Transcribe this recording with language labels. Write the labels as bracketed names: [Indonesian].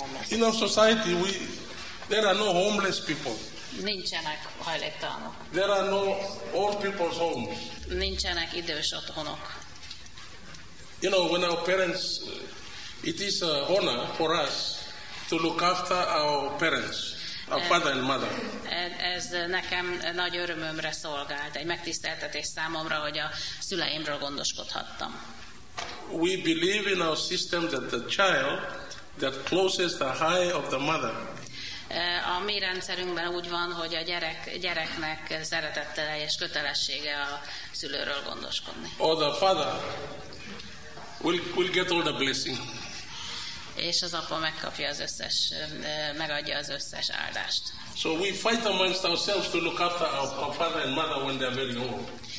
[English] in our society, there are no homeless people. [Hungarian] Nincsenek hajléktalanok. [English] There are no old people's homes. [Hungarian] Nincsenek idős otthonok. [English] You know, when our parents, it is a honor for us to look after our parents. Our father and mother. [Hungarian] Ez nekem nagy örömömre szolgált, egy megtiszteltetés számomra, hogy a szüleimről gondoskodhattam. [English] We believe in our system that the child that closes the eye of the mother. [Hungarian] A mi rendszerünkben úgy van, hogy a gyereknek szeretetteljes kötelessége a szülőről gondoskodni. [English] Or the father will get all the blessing. [Hungarian] És az apa megkapja az összes, megadja az összes áldást. [English] So we fight amongst ourselves to look after our father and mother when they're very old.